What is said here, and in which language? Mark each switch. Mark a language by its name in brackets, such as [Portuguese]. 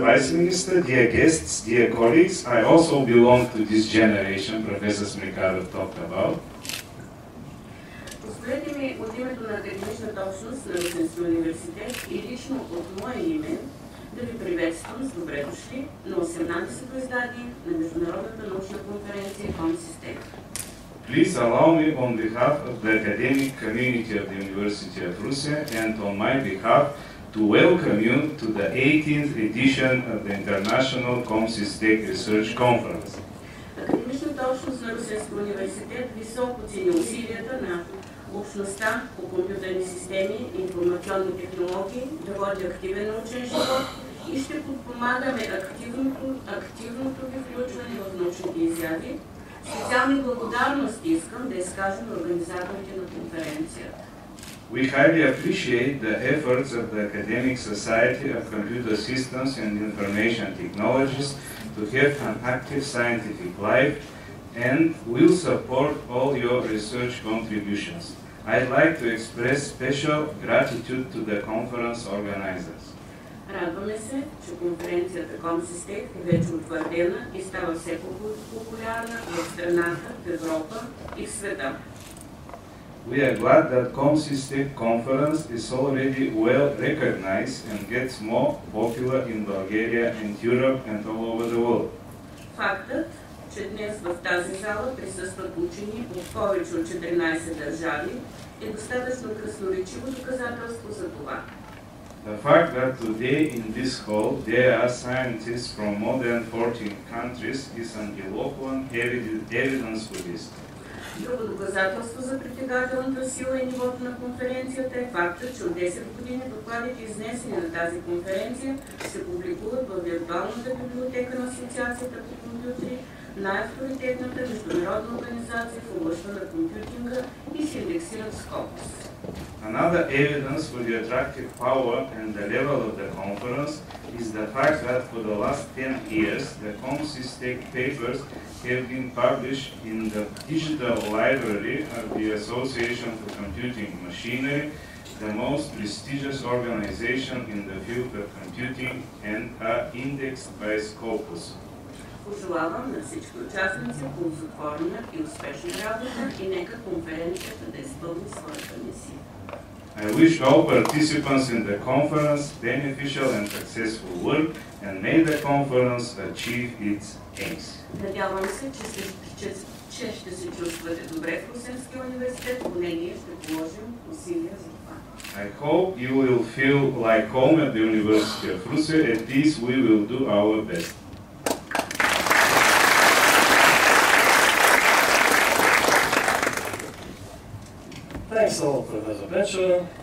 [English] Vice Minister, dear guests, dear colleagues, I also belong to this generation Professor Smrekarov talked about. [Bulgarian] Позволете ми от името на академичната общност на Русенския университет и лично от мое име да ви приветствам с добре дошли на 18-то издание на Международната научна конференция CompSysTech. [English] Please allow me on behalf of the academic community of the University of Russia and on my behalf to welcome you to the 18th edition of the International CompSysTech Research Conference. [Bulgarian] Академичната общност на Русенския университет високо цени усилията на общността по компютърни системи и информационни технологии да води активен научен живот и ще подпомагаме активното ви включване в научните изяви. Специални благодарности искам да изкажа на организаторите на конференцията. [English] We highly appreciate the efforts of the Academic Society of Computer Systems and Information Technologies to have an active scientific life and will support all your research contributions. I'd like to express special gratitude to the conference organizers. [Bulgarian] Радваме се, че конференцията CompSysTech е вече утвърдена и става все по-популярна в страната, в Европа и в света. [English] We are glad that CompSysTech conference is already well recognized and gets more popular in Bulgaria and Europe and all over the world. [Bulgarian] Фактът, че днес в тази зала присъстват учени от повече от 14 държави, е достатъчно красноречиво доказателство за това. [English] The fact that today in this hall there are scientists from more than 14 countries is an eloquent evidence for this. [Bulgarian] Друго доказателство за притегателната сила и нивото на конференцията е фактът, че от 10 години докладите, изнесени на тази конференция, се публикуват в виртуалната библиотека на Асоциацията по компютри, най-авторитетната международна организация в областта на компютинга и се индексират в Scopus. [English] Another evidence for the attractive power and the level of the conference is the fact that for the last 10 years the CompSysTech papers have been published in the digital library of the Association for Computing Machinery, the most prestigious organization in the field of computing, and are indexed by Scopus. [Bulgarian] Пожелавам на всички участници ползотворна и успешна работа и нека конференцията да изпълни своята мисия. [English] I wish all participants in the conference beneficial and successful work and may the conference achieve its aims. [Bulgarian] Надявам се, че ще се чувствате добре в Русенския университет, поне ние ще положим усилия за това. [English] I hope you will feel like home at the University of Russia. At least we will do our best. Thanks a lot, Professor Bencher.